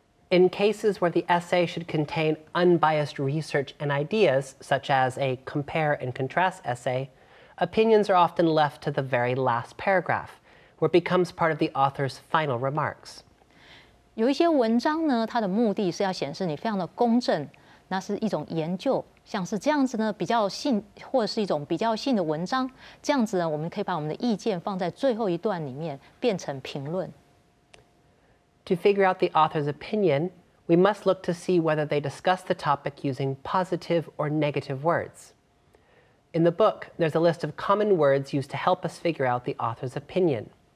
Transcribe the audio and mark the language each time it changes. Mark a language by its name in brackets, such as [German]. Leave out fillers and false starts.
[English] In cases where the essay should contain unbiased research and ideas, such as a compare and contrast essay, opinions are often left to the very last paragraph, where it becomes part of the author's final remarks. [Chinese] 有一些文章呢，它的目的是要显示你非常的公正。那是一种研究，像是这样子呢，比较性或者是一种比较性的文章，这样子呢，我们可以把我们的意见放在最后一段里面，变成评论。 [English] To figure out the author's opinion, we must look to see whether they discuss the topic using positive or negative words. In the book, there's a list of common words used to help us figure out the author's opinion.